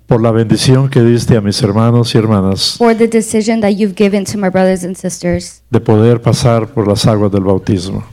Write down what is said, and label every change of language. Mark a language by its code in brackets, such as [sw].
[es] por la bendición que diste a mis hermanos y hermanas. [en] For the decision that you've given to my brothers and sisters. [es] De poder pasar por las aguas del bautismo.